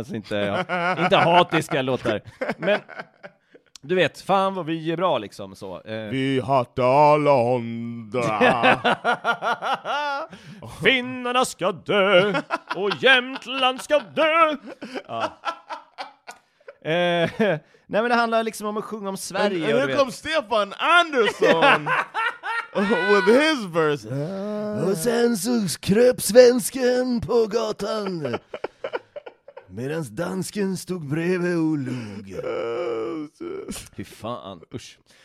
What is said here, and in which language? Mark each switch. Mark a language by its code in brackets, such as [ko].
[sv] Alltså inte hatiska låtar. Men du vet, fan vad vi är bra liksom så. Vi hatar Londra. Finnarna ska dö. Och Jämtland ska dö. Ja. Nej, men det handlar liksom om att sjunga om Sverige. [en] And here comes Stefan Andersson with his verse. [sv] Och sen så kröp svensken på gatan medan dansken stod bredvid och log. Fy fan, usch.